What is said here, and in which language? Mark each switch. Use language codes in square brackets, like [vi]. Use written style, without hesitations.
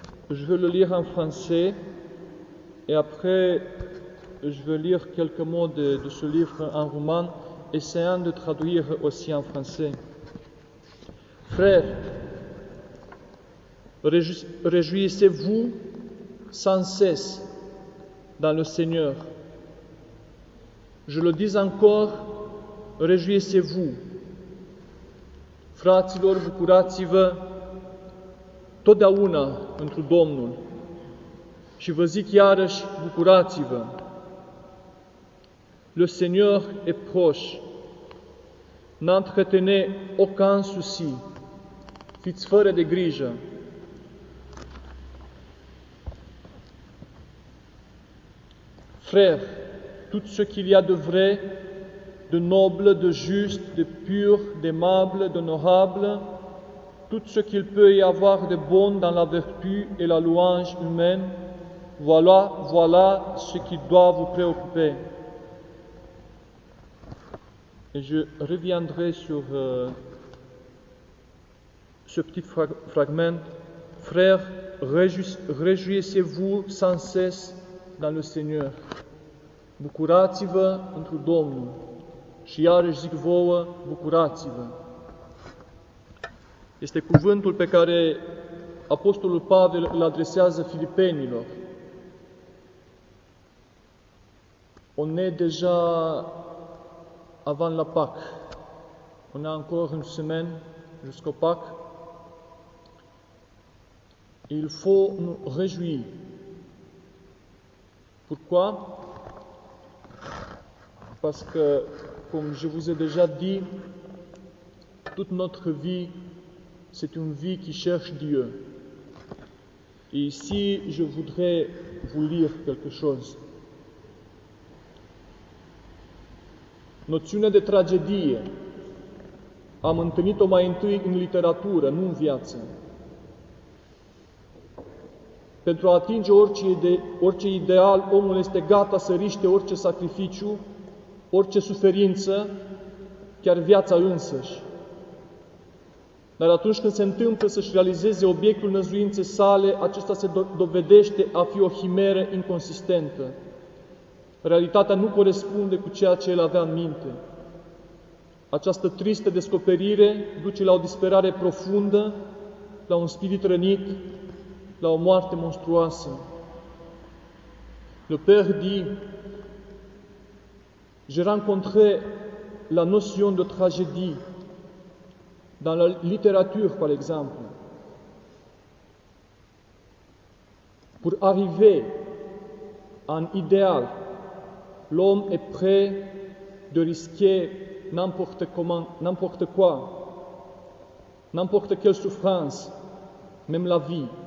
[fr] Je vais le lire en français et après je vais lire quelques mots de ce livre en roumain, essayant de traduire aussi en français. Frère, réjouissez-vous sans cesse dans le Seigneur. Je le dis encore, réjouissez-vous. [ro] Fraților, bucurați-vă totdeauna întru Domnul. Și vă zic iarăși, bucurați-vă. [fr] Le Seigneur est proche. N'entretenez aucun souci. [ro] Fiți fără de grijă. [fr] Frère, tout ce qu'il y a de vrai, de noble, de juste, de pur, d'aimable, d'honorable, tout ce qu'il peut y avoir de bon dans la vertu et la louange humaine, voilà ce qui doit vous préoccuper. Et je reviendrai sur ce petit fragment. Frère, réjouissez-vous sans cesse dans le Seigneur. [ro] Bucurați-vă întru Domnul. Și iarăși zic vouă, bucurați-vă. Este cuvântul pe care Apostolul Pavel îl adresează filipenilor. [fr] On est déjà avant la Pâque. On a encore une semaine jusqu'au Pâque. Il faut nous réjouir. Pourquoi? Parce que, comme je vous ai déjà dit, toute notre vie, c'est une vie qui cherche Dieu. Et ici, je voudrais vous lire quelque chose. [ro] Noțiunea de tragedie am întâlnit-o mai întâi în literatură, nu în viață. Pentru a atinge orice ideal, omul este gata să riște orice sacrificiu, orice suferință, chiar viața însăși. Dar atunci când se întâmplă să-și realizeze obiectul năzuinței sale, acesta se dovedește a fi o chimeră inconsistentă. Realitatea nu corespunde cu ceea ce el avea în minte. Această tristă descoperire duce la o disperare profundă, la un spirit rănit, la o moarte monstruoasă. [fr] Le Père dit: j'ai rencontré la notion de tragédie dans la littérature, par exemple. Pour arriver à un idéal, l'homme est prêt de risquer n'importe quoi, n'importe quelle souffrance, même la vie.